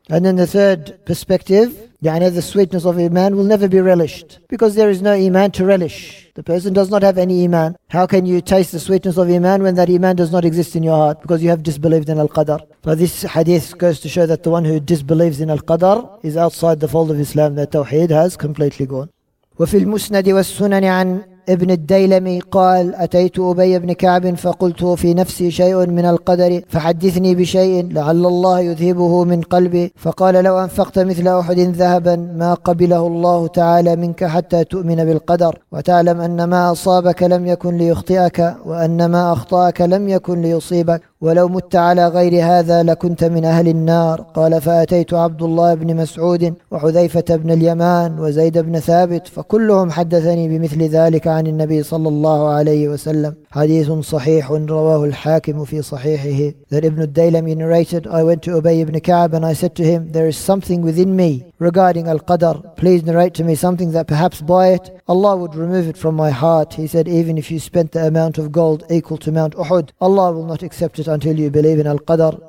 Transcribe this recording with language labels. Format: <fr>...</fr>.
<en>And then the third perspective, yani the sweetness of iman will never be relished, because there is no iman to relish. The person does not have any iman. How can you taste the sweetness of iman when that iman does not exist in your heart? Because you have disbelieved in al-qadr. But this hadith goes to show that the one who disbelieves in al-qadr is outside the fold of Islam. The tawheed has completely gone.</en> <ar>وَفِي الْمُسْنَدِ وَالسُّنَنِ عَنْ ابن الديلمي قال أتيت أبي بن كعب فقلت في نفسي شيء من القدر فحدثني بشيء لعل الله يذهبه من قلبي فقال لو أنفقت مثل أحد ذهبا ما قبله الله تعالى منك حتى تؤمن بالقدر وتعلم أن ما أصابك لم يكن ليخطئك وأن ما أخطأك لم يكن ليصيبك ولو مت على غير هذا لكنت من أهل النار قال فأتيت عبد الله بن مسعود وحذيفة بن اليمان وزيد بن ثابت فكلهم حدثني بمثل ذلك عن النبي صلى الله عليه وسلم حديث صحيح رواه الحاكم في صحيحه.</ar> <en>That Ibn al-Daylami narrated, I went to Ubay ibn Ka'b and I said to him, there is something within me regarding al-qadr. Please narrate to me something that perhaps by it Allah would remove it from my heart. He said, even if you spent the amount of gold equal to Mount Uhud, Allah will not accept it until you believe in al-qadr.</en>